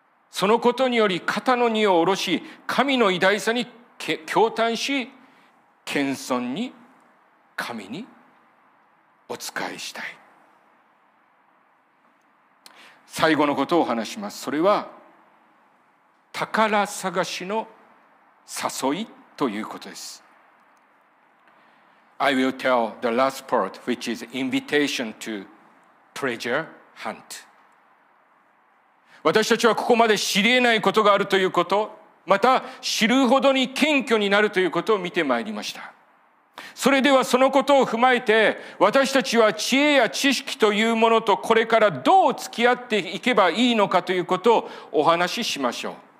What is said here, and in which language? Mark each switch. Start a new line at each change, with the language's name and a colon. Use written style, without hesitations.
Japanese: そのことにより肩の荷を下ろし、神の偉大さに驚嘆し、謙遜に神にお仕えしたい。最後のことをお話します。それは宝探しの誘いということです。
English: I will tell the last part, which is invitation to treasure hunt.
Japanese: 私たちはここまで知り得ないことがあるということ、また知るほどに謙虚になるということを見てまいりました。それではそのことを踏まえて、私たちは知恵や知識というものとこれからどう付き合っていけばいいのかということをお話ししましょう。